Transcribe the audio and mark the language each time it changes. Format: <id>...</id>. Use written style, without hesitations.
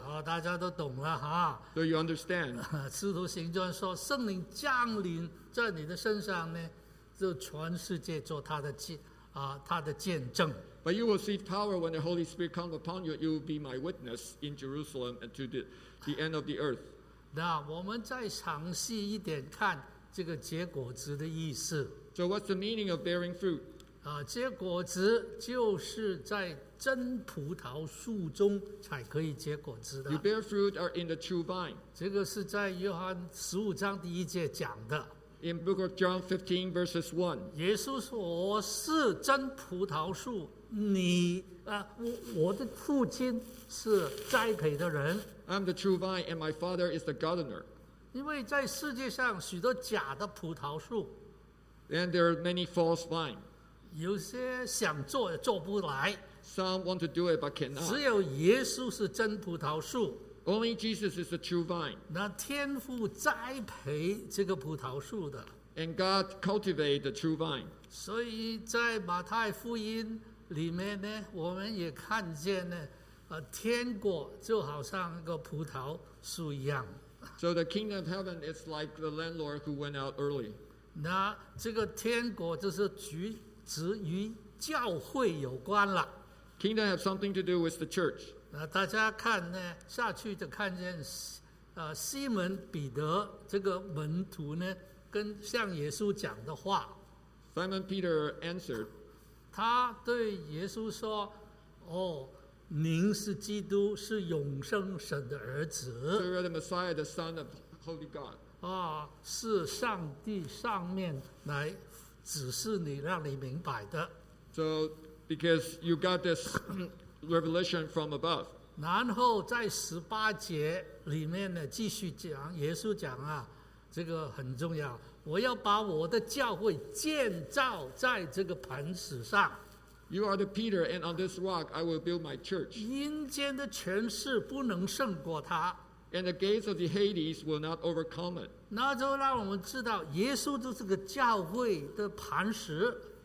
<zh>好，大家都懂了哈。</zh> <en>So you understand.</en> <zh>使徒行传说，圣灵降临在你的身上呢，就全世界做他的见证。</zh> <en>But you will receive power when the Holy Spirit comes upon you. You will be my witness in Jerusalem and to the end of the earth.</en> <zh>那我们再详细一点看这个结果子的意思。</zh> <en>So what's the meaning of bearing fruit?</en> <zh>啊，结果子就是在真葡萄树中才可以结果子的。</zh> <en>You bear fruit are in the true vine.</en> <zh>这个是在约翰十五章第一节讲的。</zh> <en>In Book of John 15, verses 1.</en> <zh>耶稣说，我是真葡萄树，你我的父亲是栽培的人。</zh> <en>I'm the true vine, and my father is the gardener.</en> <zh>因为在世界上许多假的葡萄树。</zh> <en>And there are many false vines.</en> <zh>有些想做也做不来。</zh> <en>Some want to do it but cannot.</en> <zh>只有耶稣是真葡萄树。</zh> <en>Only Jesus is the true vine.</en> <zh>那天父栽培这个葡萄树的。</zh> <en>And God cultivated the true vine.</en> <zh>所以在马太福音里面呢，我们也看见呢。天国就好像一个葡萄树一样。</zh> <en>So the kingdom of heaven is like the landlord who went out early.</en> <zh>那这个天国就是指于教会有关了。</zh> <en>Kingdom have something to do with the church.</en> <zh>那大家看呢，下去就看见，西门彼得这个门徒呢，跟向耶稣讲的话。</zh> <en>Simon Peter answered.</en> <zh>他对耶稣说，哦，您是基督，是永生神的儿子。</zh> <en>So you're the Messiah, the Son of Holy God.</en> <zh>啊，是上帝上面来指示你，让你明白的。</zh> <en>So because you got this revelation from above.</en> <zh>然后在十八节里面呢，继续讲，耶稣讲啊，这个很重要。我要把我的教会建造在这个磐石上。</zh> <en>You are the Peter, and on this rock I will build my church.</en> <zh>阴间的权势不能胜过他。</zh> <en>And the gates of the Hades will not overcome it.</en> <zh>那就让我们知道，耶稣就是个教会的磐石。</zh>